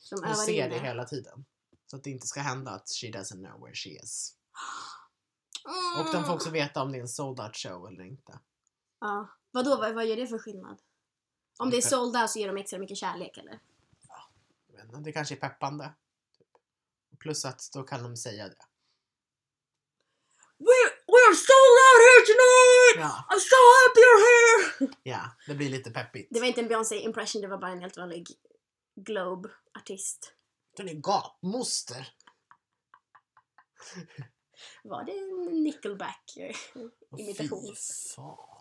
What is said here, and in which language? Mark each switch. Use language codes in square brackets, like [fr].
[sv] De ser inne. Det hela tiden. Så att det inte ska hända att [en] she doesn't know where she is. [sv] Mm. Och de får också veta om det är en sold out show eller inte. Ja. Vadå, vad gör det för skillnad? Om det är sold out så ger de extra mycket kärlek, eller? Ja, det kanske är peppande. Plus att då kan de säga det. [en] We are sold out here tonight! [sv] Ja. [en] I'm so happy you're here! [sv] Ja, det blir lite peppigt. Det var inte en Beyoncé impression, det var bara en helt vanlig Globe-artist. Den är gapmoster! Var det en Nickelback-imitation? Fy fan.